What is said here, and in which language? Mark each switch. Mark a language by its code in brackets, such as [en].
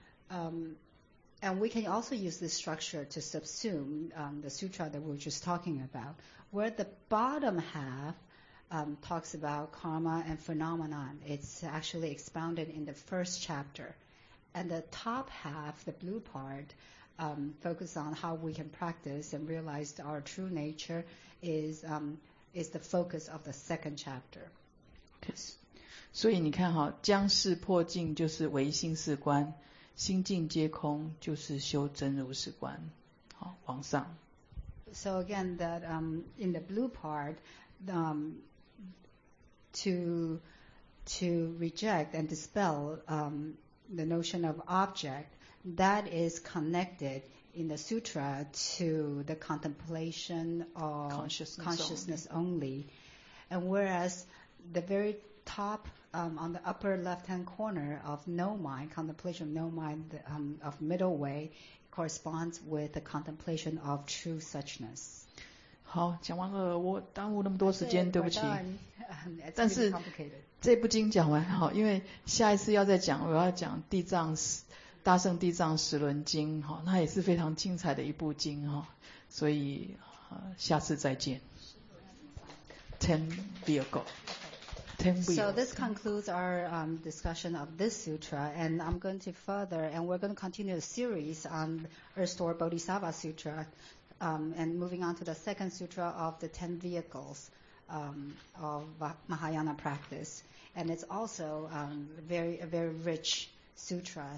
[en] And we can also use this structure to subsume the sutra that we were just talking about, where the bottom half talks about karma and phenomenon. It's actually expounded in the first chapter. And the top half, the blue part,focus on how we can practice and realize our true nature is the focus of the second chapter. Yes. [zh] 所以你看哈，将事破境就是唯心是观，心境皆空就是修真如是观。好，往上。 [en] So again, that in the blue part, to reject and dispel the notion of object. That is connected in the sutra to the contemplation of consciousness only. And whereas the very top, on the upper left-hand corner of no mind, contemplation of no mind, of middle way, corresponds with the contemplation of true suchness. [zh] 好，讲完了，我耽误那么多时间，对不起。但是 complicated. 这部经讲完好，因为下一次要再讲，我要讲地藏大圣地藏十轮经，那也是非常精彩的一部经，所以下次再见。 [en] 10 vehicle 10 vehicle. So this concludes our discussion of this sutra, and I'm going to further, and we're going to continue a series on Restored Bodhisattva Sutra, and moving on to the second sutra of the 10 vehicles of Mahayana practice, and it's also a very richSutra.